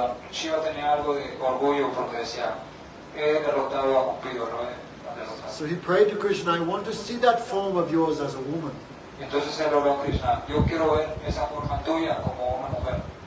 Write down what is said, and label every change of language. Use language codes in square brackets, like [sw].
[es] Shiva tenía algo de orgullo porque decía, he derrotado a Cupido, ¿no? [en] So he prayed to Krishna, I want to see that form of yours as a woman. [es] Entonces él oró a Krishna, yo quiero ver esa forma tuya como una mujer.